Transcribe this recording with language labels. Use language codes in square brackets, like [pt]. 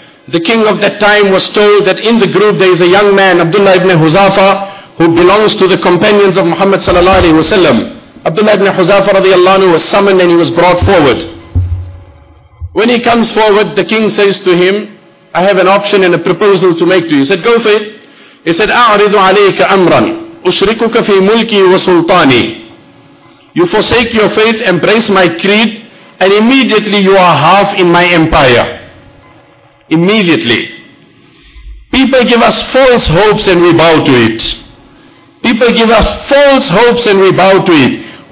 [en] The king of that time was told that in the group there is a young man, Abdullah ibn Huzafa, who belongs to the companions of Muhammad sallallahu alayhi wasallam. Abdullah ibn Huzafa radiallahu anhu was summoned and he was brought forward. When he comes forward, the king says to him, I have an option and a proposal to make to you. He said, go for it. He said, [ar] أَعْرِضُ عَلَيْكَ أَمْرًا أُشْرِكُكَ فِي مُلْكِي وَسُلْطَانِي. [en] You forsake your faith, embrace my creed, and immediately you are half in my empire. Immediately. People give us false hopes and we bow to it. People give us false hopes and we bow to it.